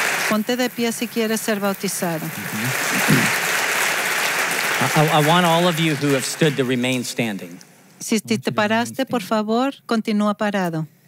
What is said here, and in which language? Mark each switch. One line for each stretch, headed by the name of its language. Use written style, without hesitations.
Spanish: Ponte de pie si quieres ser bautizado.
English: I want all of you who have stood to remain standing.
Spanish: Si te paraste, por favor, continúa parado.